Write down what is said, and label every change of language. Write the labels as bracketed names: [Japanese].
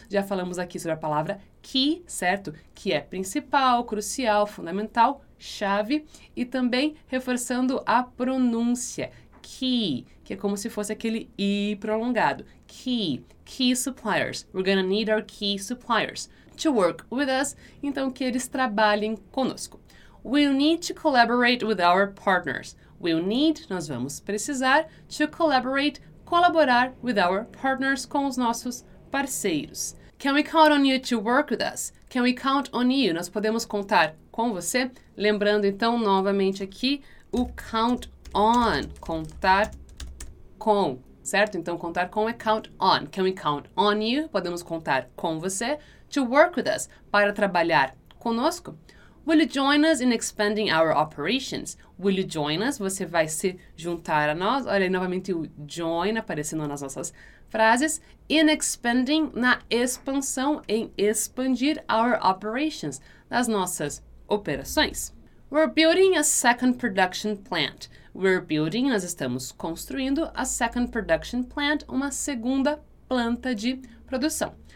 [Portuguese] Já falamos aqui sobre a palavra key, certo? Que é principal, crucial, fundamental, chave. E também reforçando a pronúncia. Key, que é como se fosse aquele I prolongado. [English] Key, key suppliers. We're gonna need our key suppliers to work with us. [Portuguese] Então, que eles trabalhem conosco. [English] We'll need to collaborate with our partners. We'll need, [Portuguese] nós vamos precisar, [English] to collaborate, [Portuguese] colaborar [English] with our partners, [Portuguese] com os nossos parceiros. [English] Can we count on you to work with us? Can we count on you? [Portuguese] Nós podemos contar com você? Lembrando, então, novamente aqui, o count on, contar com, certo? Então, contar com é count on. [English] Can we count on you? [Portuguese] Podemos contar com você. [English] To work with us, [Portuguese] para trabalhar conosco. [English] Will you join us in expanding our operations? Will you join us? [Portuguese] Você vai se juntar a nós. Olha aí, novamente, o join aparecendo nas nossas frases. [English] In expanding, [Portuguese] na expansão, em expandir [English] our operations, [Portuguese] nas nossas operações. [English] We're building a second production plant. [Portuguese] We're building, nós estamos construindo, a second production plant, uma segunda planta de produção.